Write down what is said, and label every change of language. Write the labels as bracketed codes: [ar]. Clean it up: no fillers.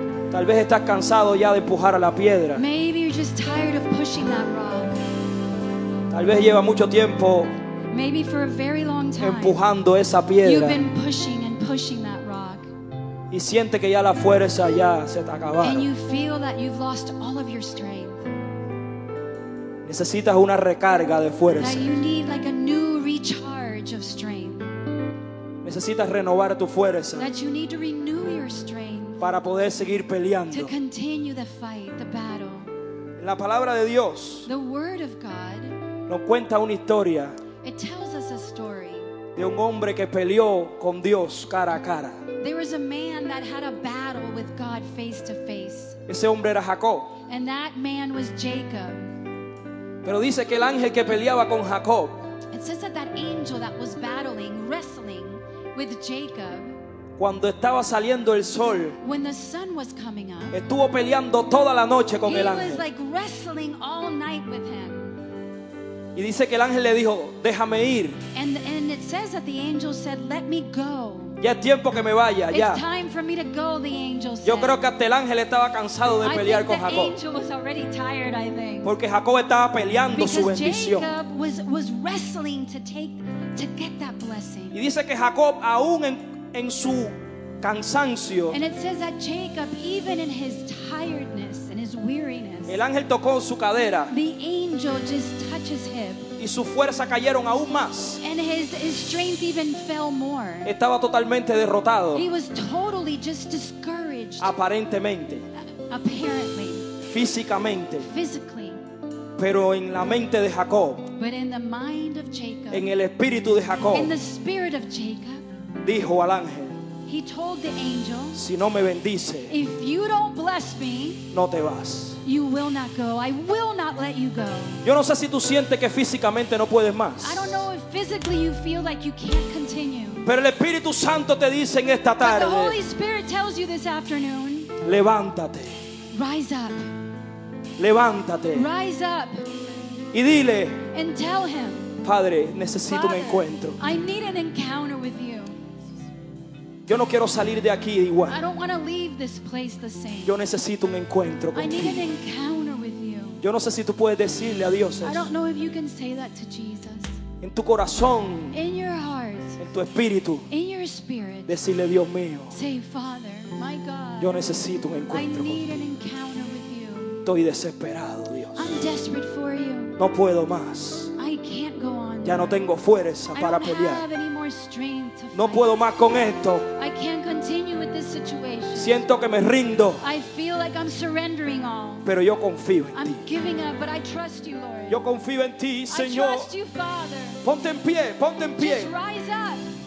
[es] Tal vez estás cansado ya de empujar a la piedra. [en] Maybe you're just tired of pushing that rock. [es] Tal vez lleva mucho tiempo. [en] Maybe for a very long time. [es] Empujando esa piedra. [en] You've been pushing and pushing that rock. [es] Y siente que ya la fuerza ya se te acaba. [en] And you feel that you've lost all of your strength. [es] Necesitas una recarga de fuerza. [en] That you need like a new recharge of strength. [es] Necesitas renovar tu fuerza. [en] That you need to renew your strength. [es] Para poder seguir peleando. [en] To continue the fight, the battle. [es] En la palabra de Dios. [en] The word of God. [es] Nos cuenta una historia. [en] It tells us a story. [es] De un hombre que peleó con Dios cara a cara. [en] There was a man that had a battle with God face to face. [es] Ese hombre era Jacob. [en] And that man was Jacob. [es] Pero dice que el ángel que peleaba con Jacob, [en] it says that that angel that was battling, wrestling with Jacob, [es] cuando estaba saliendo el sol, [en] when the sun was coming up, [es] estuvo peleando toda la noche con el ángel. [en] He was like wrestling all night with him. [es] Y dice que el ángel le dijo, déjame ir. [en] And it says that the angel said, let me go. [es] Ya es tiempo que me vaya, ya. [en] It's time for me to go, the angel said. [es] Yo creo que hasta el ángel estaba cansado de pelear con Jacob. [en] The angel was already tired, I think. [es] Porque Jacob estaba peleando [en] because [es] su bendición. [en] Jacob was wrestling to get that blessing. [es] Y dice que Jacob aún en su cansancio. [en] And it says that Jacob, even in his tiredness and his weariness. [es] El ángel tocó su cadera. [en] The angel just touched his hip. [es] Y su fuerza cayeron aún más. [en] And his strength even fell more. [es] Estaba totalmente derrotado. [en] He was totally just discouraged. [es] Aparentemente. [en] Apparently. [es] Físicamente. [en] Physically. [es] Pero en la mente de Jacob. [en] But in the mind of Jacob. [es] En el espíritu de Jacob. [en] In the spirit of Jacob. [es] Dijo al ángel. [en] He told the angel. [es] Si no me bendice. [en] If you don't bless me. [es] No te vas. [en] You will not go. I will not let you go. [es] Yo no sé si tú sientes que físicamente no puedes más. [en] I don't know if physically you feel like you can't continue. [es] Pero el Espíritu Santo te dice en esta tarde. [en] But the Holy Spirit tells you this afternoon. [es] Levántate. [en] Rise up. [es] Levántate. [en] Rise up. [es] Y dile. [en] And tell him. [es] Padre, necesito [en] Father, [es] un encuentro. [en] I need an encounter with you. [es] Yo no quiero salir de aquí igual. [en] I don't want to leave this place the same. [es] Yo necesito un encuentro contigo. [en] I need an encounter with you. [es] Yo no sé si tú puedes decirle a Dios eso. [en] I don't know if you can say that to Jesus. [es] En tu corazón. [en] In your heart. [es] En tu espíritu. [en] In your spirit. [es] Decirle, Dios mío. [en] Say, Father, my God. [es] Yo necesito un encuentro. [en] I need an encounter with you. [es] Estoy desesperado, Dios. [en] I'm desperate for you. [es] No puedo más. [en] I can't go on. [es] Ya no tengo fuerza para pelear. [en] Have any more strength to fight. [es] No puedo más con esto. [en] I can't continue with this situation. [es] Siento que me rindo. [en] I feel like I'm surrendering all. [es] Pero yo confío en ti. [en] I'm giving up, but I trust you, Lord. [es] Yo confío en ti, Señor. [en] I trust you, Father. [es] Ponte en pie, ponte en pie. [en] Just rise up.